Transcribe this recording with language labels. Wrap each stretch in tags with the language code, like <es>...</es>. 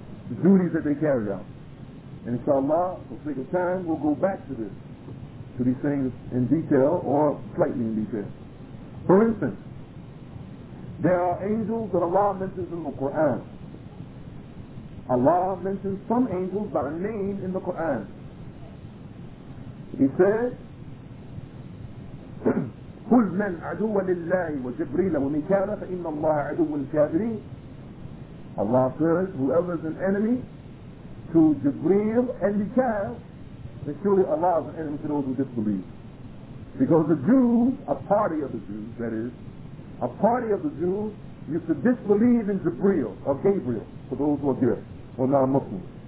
<en>The duties that they carry out. And inshallah, for the sake of time, we'll go back to this, to these things in detail or slightly in detail. For instance, there are angels that Allah mentions in the Quran. Allah mentions some angels by a name in the Quran. He says,</en> <ar>قُلْ مَنْ عَدُوَّ لِلَّهِ وَجِبْرِيلَ وَمِكَالَ فَإِنَّ اللَّهَ عَدُوَّ الْكَافِرِينَ.</ar> <en>Allah says, whoever is an enemy to Jibreel and Mikael, then surely Allah is an enemy to those who disbelieve. Because the Jews, a party of the Jews, that is, a party of the Jews, used to disbelieve in Jibreel, or Gabriel, for those who are there, or non-Muslims.</en>